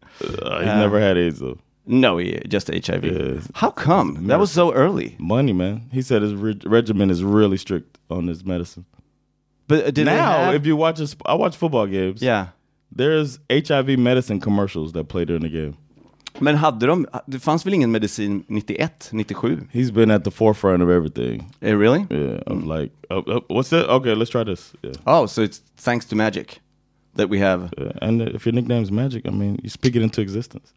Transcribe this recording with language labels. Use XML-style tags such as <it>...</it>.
<en>He's never had AIDS, though. No, just HIV. Yeah, how come? That was so early. Money, man. He said his regimen is really strict on his medicine. But did now, if you watch, I watch football games. Yeah, there's HIV medicine commercials that play during the game.</en> <sv>Men hade de? Det fanns väl ingen medicin 91, 97?</sv> <en>He's been at the forefront of everything. Really? Yeah. I'm like, what's that? Okay, let's try this. Yeah. Oh, so it's thanks to Magic that we have. Yeah, and if your nickname's Magic, I mean, you speak it into existence.</en>